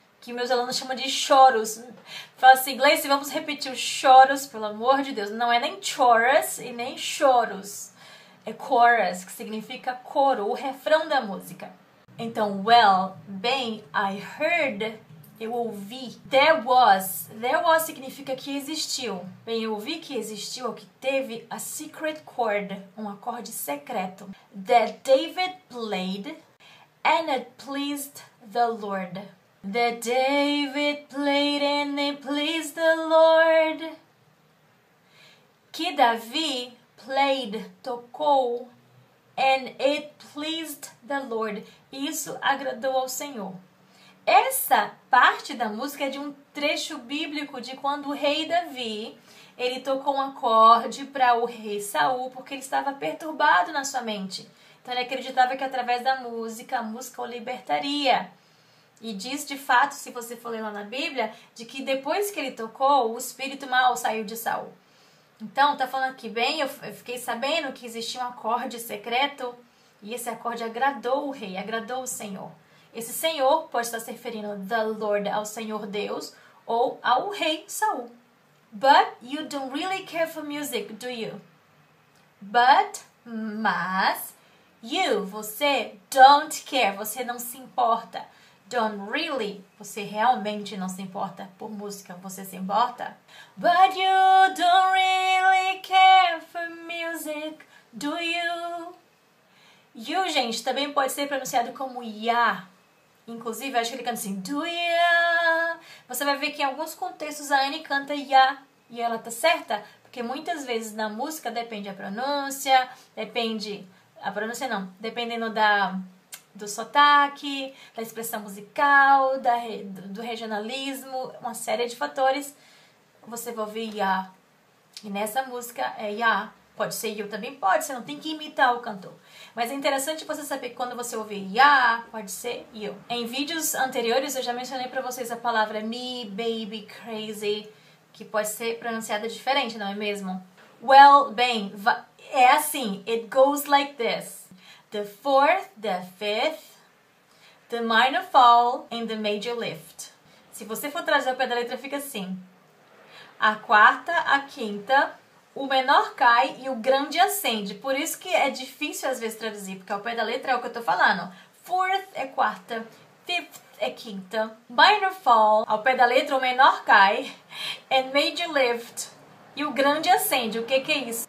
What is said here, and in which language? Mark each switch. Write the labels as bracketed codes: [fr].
[pt] que meus alunos chamam de choros. Fala assim, Gleice, vamos repetir o choros, pelo amor de Deus. Não é nem chorus e nem choros. É chorus, que significa coro, o refrão da música. Então, well, bem, I heard, eu ouvi. There was significa que existiu. Bem, eu ouvi que existiu, ou que teve, a secret chord, um acorde secreto. [en] That David played, and it pleased the Lord. That David played and it pleased the Lord. Que Davi played, tocou, and it pleased the Lord. [pt] Isso agradou ao Senhor. Essa parte da música é de um trecho bíblico de quando o rei Davi, ele tocou um acorde para o rei Saul, porque ele estava perturbado na sua mente. Então ele acreditava que através da música, a música o libertaria. E diz, de fato, se você for ler lá na Bíblia, de que depois que ele tocou, o espírito mal saiu de Saul. Então, tá falando aqui, bem, eu fiquei sabendo que existia um acorde secreto, e esse acorde agradou o rei, agradou o Senhor. Esse Senhor pode estar se referindo the Lord, ao Senhor Deus, ou ao rei Saul. [en] But you don't really care for music, do you? [pt] But, mas, you, você, don't care, você não se importa. Don't really, você realmente não se importa por música, você se importa? [en] But you don't really care for music, do you? [pt] You, gente, também pode ser pronunciado como ya. Inclusive, acho que ele canta assim, do ya. Você vai ver que em alguns contextos a Anne canta ya. E ela tá certa? Porque muitas vezes na música depende a pronúncia, depende... A pronúncia não, dependendo da... do sotaque, da expressão musical, do regionalismo, uma série de fatores, você vai ouvir ya. E nessa música é ya. Pode ser you também, pode, você não tem que imitar o cantor. Mas é interessante você saber que quando você ouvir ya, pode ser you. Em vídeos anteriores eu já mencionei pra vocês a palavra me, baby, crazy, que pode ser pronunciada diferente, não é mesmo? [en] Well, bem, é assim, it goes like this. The fourth, the fifth, the minor fall, and the major lift. [pt] Se você for trazer o pé da letra, fica assim. A quarta, a quinta, o menor cai e o grande acende. Por isso que é difícil às vezes traduzir, porque o pé da letra é o que eu tô falando. Fourth é quarta, fifth é quinta, minor fall, ao pé da letra o menor cai, and major lift, e o grande acende. O que que é isso?